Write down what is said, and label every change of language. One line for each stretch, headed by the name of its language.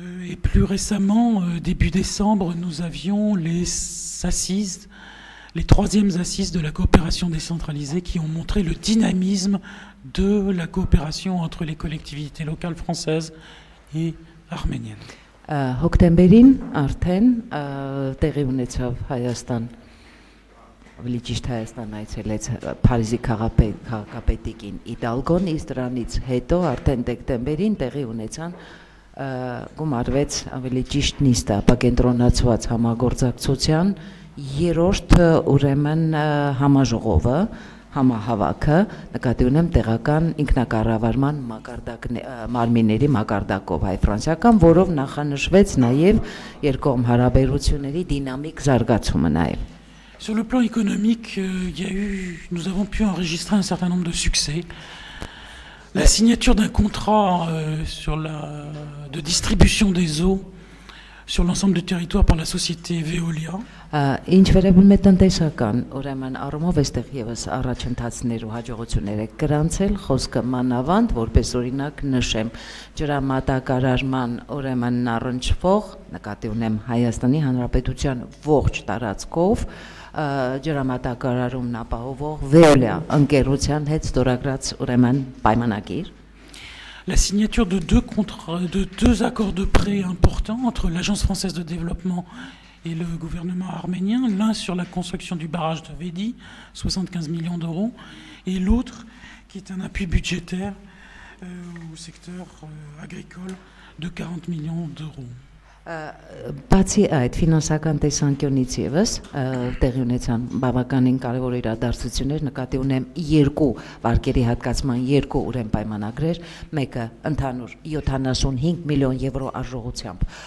French: et plus récemment, début décembre, nous avions les assises, les troisièmes assises de la coopération décentralisée qui ont montré le dynamisme de la coopération entre les collectivités locales françaises et arméniennes.
Armenian: Հոկտեմբերին արդեն տեղի ունեցավ Հայաստան ավելի ճիշտ Հայաստան այցելեց Փարիզի քաղաքապետիկին Իդալգոն իսկ դրանից հետո արդեն դեկտեմբերին տեղի ունեցան գումարվեց ավելի ճիշտ նիստը ապակենտրոնացված համագործակցության երրորդ ուրեմն համաժողովը համահավաքը նկատի ունեմ տեղական ինքնակառավարման մակարդակ մարմինների մակարդակով հայ-ֆրանսիական որով նախանշվեց նաև երկկողմ հարաբերությունների դինամիկ զարգացումը նաև
French: Sur le plan économique, il y a eu nous avons pu enregistrer un certain nombre de succès. La signature d'un contrat sur la de distribution des eaux sur l'ensemble du territoire par la société Veolia.
Armenian: Ինչ վերաբերում է տնտեսական, ուրեմն առումով այստեղ եւս առաջընթացներ ու հաջողություններ է գրանցել, խոսքը մանավանդ, որպես օրինակ նշեմ, ջրամատակարարման ուրեմն նառնչվող, նկատի ունեմ Հայաստանի Հանրապետության ողջ տարածքով, ջրամատակարարումն ապահովող Veolia ընկերության հետ ստորագրած ուրեմն պայմանագիր.
French: La signature de deux contrats, de deux accords de prêt importants entre l'Agence française de développement et le gouvernement arménien, l'un sur la construction du barrage de Vedi, 75 millions d'euros, et l'autre qui est un appui budgétaire au secteur agricole de 40 millions d'euros.
Armenian: Բացի այդ ֆինանսական տեսանկյունից եւս տեղի ունեցան բավականին կարևոր իրադարձություններ նկատի ունեմ երկու վարկերի հատկացման երկու ուրեմն պայմանագրեր մեկը ընդհանուր 75 միլիոն եվրո արժողությամբ